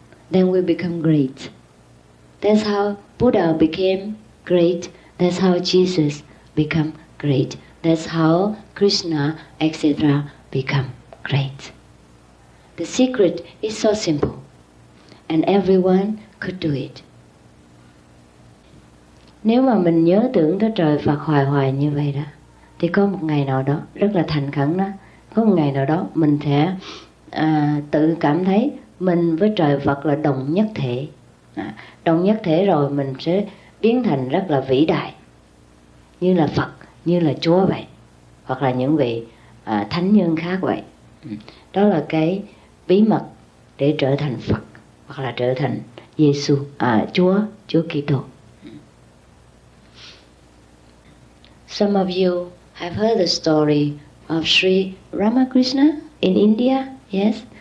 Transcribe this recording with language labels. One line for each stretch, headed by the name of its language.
English: Then we become great. That's how Buddha became great. That's how Jesus became great. That's how Krishna, etc., become great. The secret is so simple, and everyone could do it.
Vietnamese: Nếu mà mình nhớ tưởng tới trời Phật hoài hoài như vậy đó, thì có một ngày nào đó, rất là thành khẩn đó, có một ngày nào đó mình sẽ tự cảm thấy mình với trời Phật là đồng nhất thể. Đồng nhất thể rồi mình sẽ biến thành rất là vĩ đại, như là Phật, như là Chúa vậy, hoặc là những vị thánh nhân khác vậy. Đó là cái bí mật để trở thành Phật hoặc là trở thành Giêsu, Chúa Kitô.
English: Some of you have heard the story of Sri Ramakrishna in India, yes?